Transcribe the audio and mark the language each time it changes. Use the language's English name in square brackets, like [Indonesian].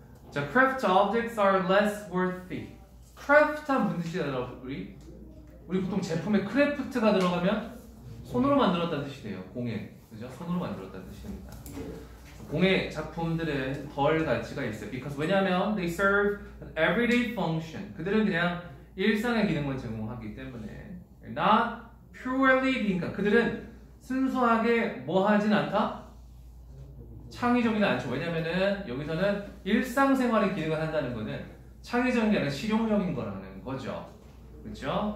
[English] 자, craft objects are less worthy. [Korean] craft 한 무슨 뜻이냐고 우리 보통 제품에 craft가 들어가면 손으로 만들었다는 뜻이네요. 공예. 그죠? 손으로 만들었다는 뜻입니다. 공예 작품들은 덜 가치가 있어요. [English] Because [Korean] 왜냐하면 [English] they serve an everyday function. [Korean] 그들은 그냥 일상의 기능만 제공하기 때문에 [English] not purely [Korean] 그러니까 그들은 순수하게 뭐 하진 않다? 창의적이지 않죠. 왜냐면은 여기서는 일상생활의 기능을 한다는 거는 창의적인 게 아니라 실용적인 거라는 거죠. 그렇죠?